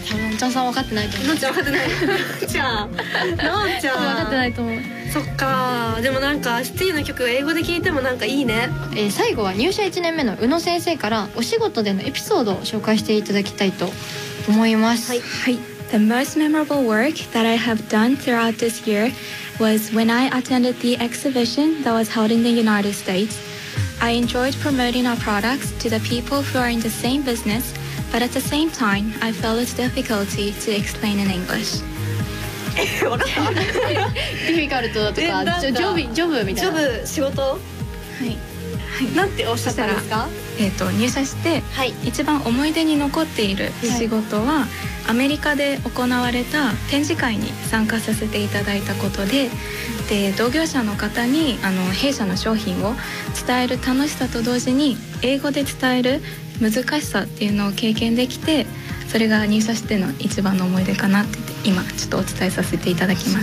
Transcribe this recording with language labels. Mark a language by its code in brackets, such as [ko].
[ja] のんちゃんさん分かってないと思う。のんちゃん分かってないじゃあのんちゃん分かってないと思う。そっか。でもなんかシティの曲英語で聴いてもなんかいいね。最後は入社1年目の宇野先生からお仕事でのエピソードを紹介していただきたいと思います。はい、はい、 [en] The most memorable work that I have done throughout this year was when I attended the exhibition that was held in the United States. I enjoyed promoting our products to the people who are in the same business, but at the same time I felt its difficulty to explain in English [ja] ディフィカルトだとか、だジョブみたいな、ジョブ仕事、はい、なんておっしゃったんですか。入社して、はい、一番思い出に残っている仕事は、はい、アメリカで行われた展示会に参加させていただいたこと で同業者の方に弊社の商品を伝える楽しさと同時に英語で伝える難しさっていうのを経験できて、それが入社しての一番の思い出かなって、今ちょっとお伝えさせていただきました。